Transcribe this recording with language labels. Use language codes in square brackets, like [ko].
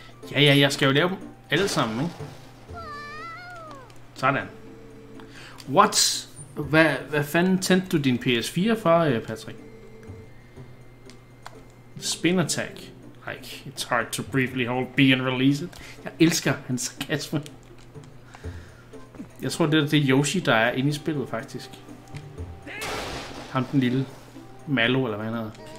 [da] Ja, ja, jeg skal jo lave dem alle sammen, ikke? Sådan. [en] What? [da] Hvad fanden tændte du din PS4 for, Patrick? [en] Spin attack. Like, it's hard to briefly hold B and release it. [da] Jeg elsker hans sarkasme. Jeg tror, det er Yoshi, der er inde i spillet, faktisk. Ham den lille. Malo, eller hvad han hedder.